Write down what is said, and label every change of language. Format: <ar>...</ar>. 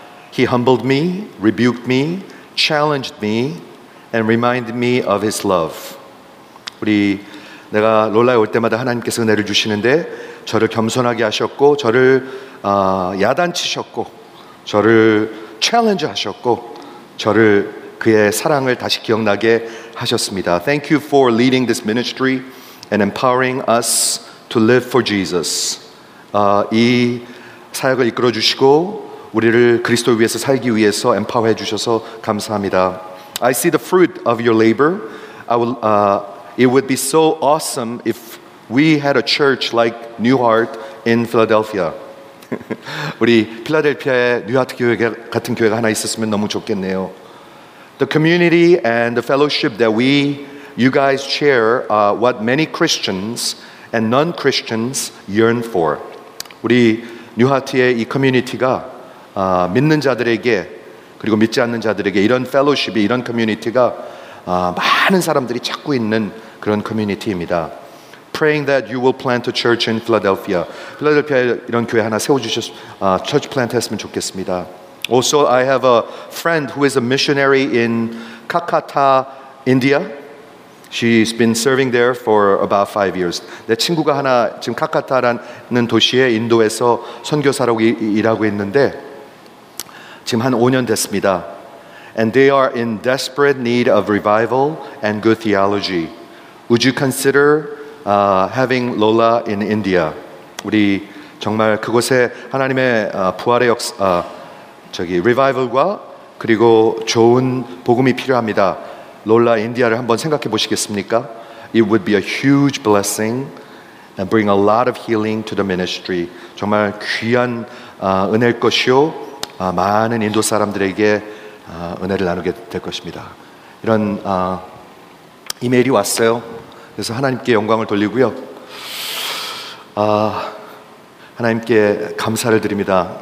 <en>He humbled me, rebuked me, challenged me, and reminded me of his love.</en> <ko>우리 내가 롤라에 올 때마다 하나님께서 은혜를 주시는데 저를 겸손하게 하셨고 저를 야단치셨고 저를 챌린지 하셨고 저를 그의 사랑을 다시 기억나게 하셨습니다.</ko> <en>Thank you for leading this ministry and empowering us to live for Jesus.</en> <ko>이 사역을 이끌어주시고 우리를 그리스도 위해서 살기 위해서 empower해 주셔서 감사합니다.</ko> <en>I see the fruit of your labor. It would be so awesome if we had a church like New Heart in Philadelphia.</en> <ko>우리 필라델피아에 뉴하트 교회 같은 교회가 하나 있었으면 너무 좋겠네요.</ko> <en>The community and the fellowship that you guys share are what many Christians and non-Christians yearn for.</en> <ko>우리 뉴하트의 이 커뮤니티가 믿는 자들에게 그리고 믿지 않는 자들에게 이런 fellowship이 이런 커뮤니티가 많은 사람들이 찾고 있는 그런 커뮤니티입니다.</ko> <en>Praying that you will plant a church in Philadelphia.</en> <ko>필라델피아에 이런 교회 하나 church plant 했으면 좋겠습니다.</ko> <en>Also, I have a friend who is a missionary in Kakata, India. She's been serving there for about 5 years.</en> <ko>내 친구가 하나 지금 카카타라는 도시에 인도에서 선교사로 일하고 있는데 지금 한 5년 됐습니다.</ko> <en>And they are in desperate need of revival and good theology. Would you consider having Lola in India?</en> <ko>우리 정말 그곳에 하나님의 부활의 revival과 그리고 좋은 복음이 필요합니다. Lola, India를 한번 생각해 보시겠습니까?</ko> <en>It would be a huge blessing and bring a lot of healing to the ministry.</en> <ko>정말 귀한 은혜일 것이요. 많은 인도 사람들에게 은혜를 나누게 될 것입니다. 이런 이메일이 왔어요. 그래서 하나님께 영광을 돌리고요. 하나님께 감사를 드립니다.</ko>